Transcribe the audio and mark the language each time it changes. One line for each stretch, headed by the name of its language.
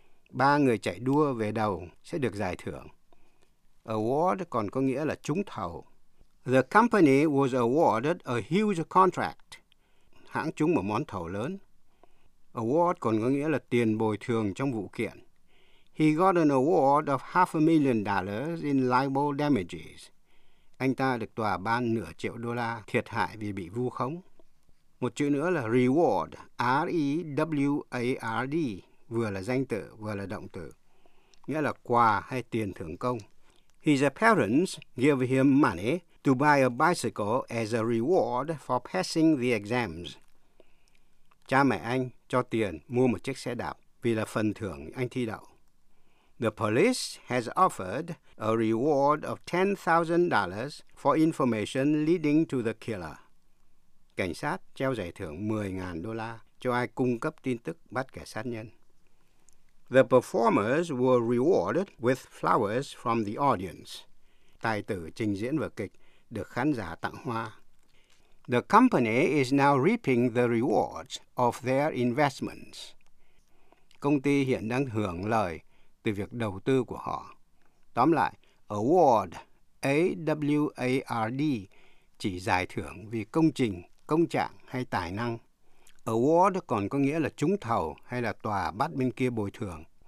Vietnamese: Ba người chạy đua về đầu sẽ được giải thưởng. Award còn có nghĩa là trúng thầu.
English: The company was awarded a huge contract.
Vietnamese: Hãng trúng một món thầu lớn. Award còn có nghĩa là tiền bồi thường trong vụ kiện.
English: He got an award of $500,000 in libel damages.
Vietnamese: Anh ta được tòa ban nửa triệu đô la thiệt hại vì bị vu khống. Một chữ nữa là reward, R-E-W-A-R-D, vừa là danh từ vừa là động từ, nghĩa là quà hay tiền thưởng công.
English: His parents gave him money to buy a bicycle as a reward for passing the exams.
Vietnamese: Cha mẹ anh cho tiền mua một chiếc xe đạp vì là phần thưởng anh thi đậu.
English: The police has offered a reward of $10,000 for information leading to the killer.
Vietnamese: Cảnh sát treo giải thưởng $10,000 cho ai cung cấp tin tức bắt kẻ sát nhân.
English: The performers were rewarded with flowers from the audience.
Vietnamese: Tài tử trình diễn vở kịch được khán giả tặng hoa.
English: The company is now reaping the rewards of their investments.
Vietnamese: Công ty hiện đang hưởng lợi từ việc đầu tư của họ. Tóm lại, award, A-W-A-R-D, chỉ giải thưởng vì công trình, công trạng hay tài năng. Award còn có nghĩa là trúng thầu hay là tòa bắt bên kia bồi thường.